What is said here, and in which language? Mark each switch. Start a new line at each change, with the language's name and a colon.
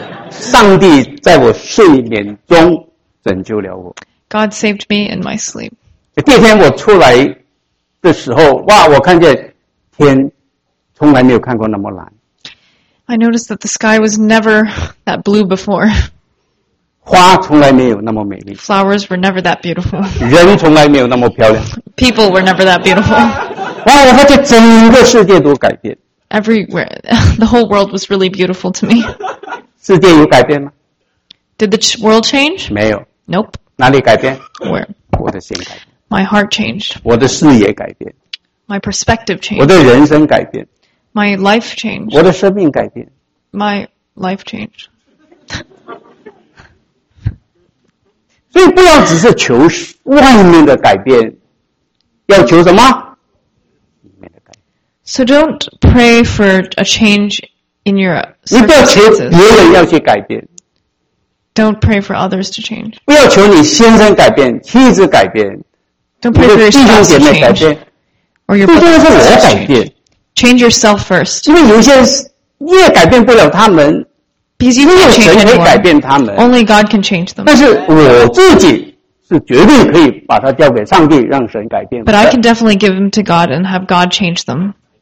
Chinese: 上帝在我睡眠中拯救了我。
English: God saved me in my sleep.
Chinese: 第二天我出来的时候，哇，我看见天从来没有看过那么蓝。
English: I noticed that the sky was never that blue before.
Chinese: 花从来没有那么美丽。
English: Flowers were never that beautiful.
Chinese: 人从来没有那么漂亮。
English: People were never that beautiful.
Chinese: 哇，我发现整个世界都改变。
English: Everywhere, the whole world was really beautiful to me.
Chinese: 世界有改变吗？
English: Did the world change?
Chinese: 没有。
English: Nope.
Chinese: 哪里改变？
English: Where?
Chinese: 我的心改变。
English: My heart changed.
Chinese: 我的视野改变。
English: My perspective changed.
Chinese: 我的人生改变。
English: My life changed.
Chinese: 我的生命改变。
English: My life changed.
Chinese: 所以不要只是求外面的改变，要求什么？
English: So don't pray for a change in your circumstances.
Chinese: 你不要求别人要去改变。
English: Don't pray for others to change.
Chinese: 不要求你先生改变，妻子改变。
English: Don't pray for your spouse to change.
Chinese: 弟兄姐妹改变。
English: Or your brother or sister.
Chinese: 最重要是我改变。
English: Change yourself first.
Chinese: 因为有些人越改变不了他们，
English: Because you can't change anyone.
Chinese: 只有神可以改变他们。
English: Only God can change them.
Chinese: 但是我自己是绝对可以把它交给上帝，让神改变。
English: But I can definitely give them to God and have God change them.